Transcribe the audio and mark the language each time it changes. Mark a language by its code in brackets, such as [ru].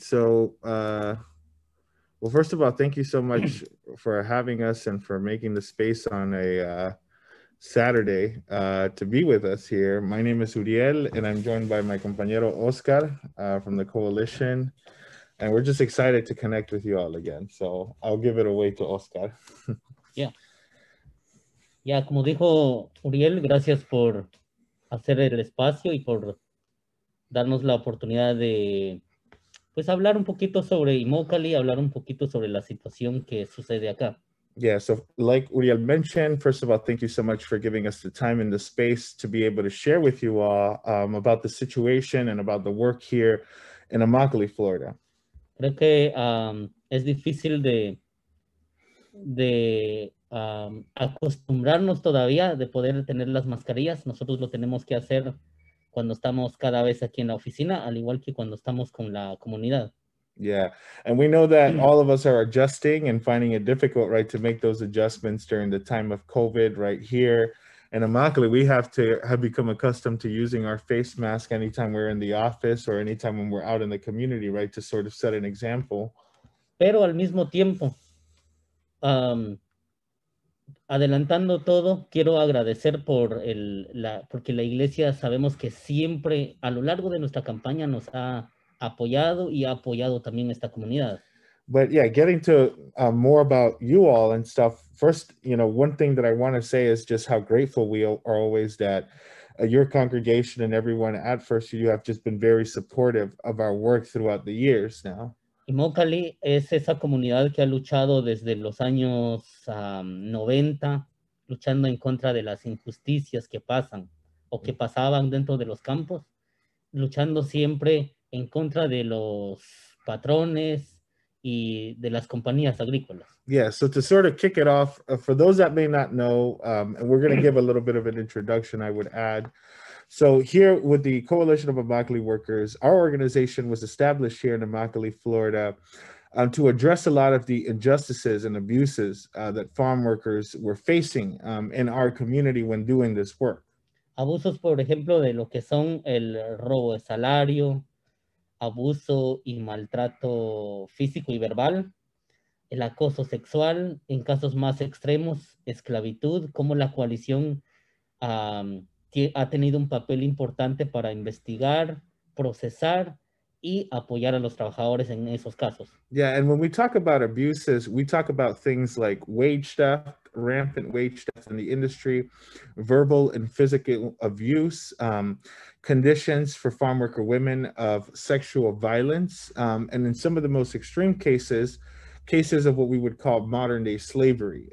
[en] So, well, first of all, thank you so much for having us and for making the space on a Saturday to be with us here. My name is Uriel, and I'm joined by my compañero Oscar from the Coalition. And we're just excited to connect with you all again. So I'll give it away to Oscar. Yeah. [es] Ya, como dijo Uriel, gracias por hacer el espacio y por darnos la oportunidad de pues hablar un poquito sobre Imokalee, hablar un poquito sobre la situación que sucede acá. [en] Yeah, so like Uriel mentioned, first of all, thank you so much for giving us the time and the space to be able to share with you all about the situation and about the work here in Imokalee, Florida. [es] Creo que es difícil de acostumbrarnos todavía de poder tener las mascarillas. Nosotros lo tenemos que hacer cuando estamos cada vez aquí en la oficina, al igual que cuando estamos con la comunidad. [en] Yeah, and we know that all of us are adjusting and finding it difficult, right, to make those adjustments during the time of COVID right here. And Imokalee, we have become accustomed to using our face mask anytime we're in the office or anytime when we're out in the community, right, to sort of set an example. [es] Pero al mismo tiempo, adelantando todo, quiero agradecer porque la iglesia sabemos que siempre a lo largo de nuestra campaña nos ha apoyado y ha apoyado también esta comunidad. [en] But yeah, getting to more about you all and stuff. First, you know, one thing that I want to say is just how grateful we are always that your congregation and everyone at First You have just been very supportive of our work throughout the years now. [es] Imokalee es esa comunidad que ha luchado desde los años 90, luchando en contra de las injusticias que pasan o que pasaban dentro de los campos, luchando siempre en contra de los patrones y de las compañías agrícolas. [en] Yeah, so to sort of kick it off, for those that may not know, and we're going to give a little bit of an introduction, I would add. So here with the Coalition of Imokalee Workers, our organization was established here in Imokalee, Florida, to address a lot of the injustices and abuses that farm workers were facing in our community when doing this work. [es] Abusos, por ejemplo, de lo que son el robo de salario, abuso y maltrato físico y verbal, el acoso sexual, en casos más extremos, esclavitud, como la coalición ha tenido un papel importante para investigar, procesar y apoyar a los trabajadores en esos casos. [en] Yeah, and when we talk about abuses, we talk about things like wage theft, rampant wage theft in the industry, verbal and physical abuse, conditions for farm worker women of sexual violence, and in some of the most extreme cases, cases of what we would call modern day slavery.